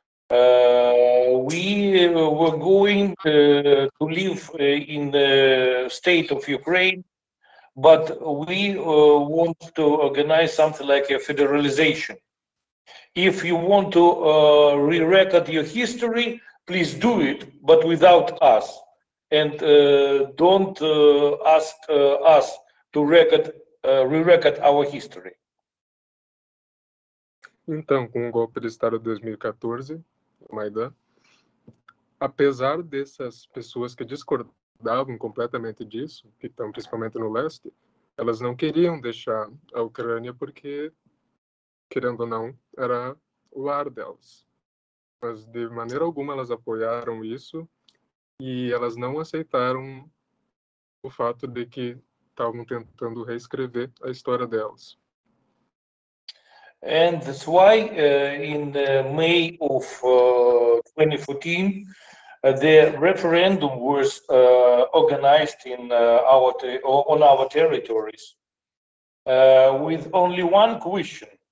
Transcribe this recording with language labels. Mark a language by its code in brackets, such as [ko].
[en] We were going to live in the state of Ukraine, but we want to organize something like a federalization. If you want to re-record your history, please do it, but without us. And don't ask us to record re-record our history. [pt] Então, com o golpe de Estado de 2014, Maidan, apesar dessas pessoas que discordavam completamente disso, que estão principalmente no leste, elas não queriam deixar a Ucrânia porque, querendo ou não, era o lar delas. Mas, de maneira alguma, elas apoiaram isso e elas não aceitaram o fato de que estavam tentando reescrever a história delas. [en] And that's why in May of 2014 the referendum was organized in our territories with only one question.